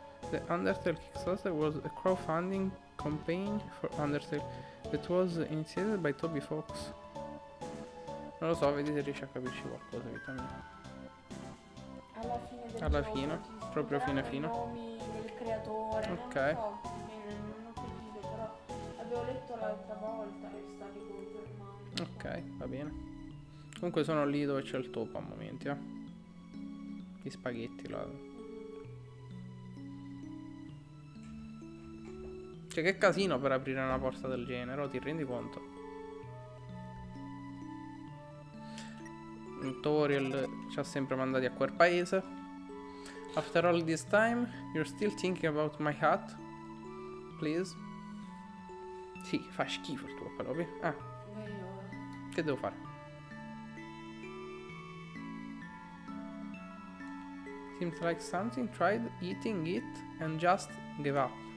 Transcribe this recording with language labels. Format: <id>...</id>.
<en>The Undertale Kickstarter was a crowdfunding campaign for Undertale that was initiated by Toby Fox.</en> <it>Non lo so, vedi se riesci a capirci qualcosa, vitamina. Alla fine del alla gioco, fine, proprio fine fine. I nomi del creatore, okay. Non lo so, non ho capito, però avevo letto l'altra volta e stavi confermando. Ok, va bene. Comunque sono lì dove c'è il topo a momenti, I spaghetti là. Cioè, che casino per aprire una porta del genere, oh, ti rendi conto? Toriel ci ha sempre mandati a quel paese.</it> <en>After all this time, you're still thinking about my hat? Please?</en> <it>Sì, fa schifo il tuo palopi. Ah, che devo fare?</it> <en>Seems like something tried eating it and just gave up.</en>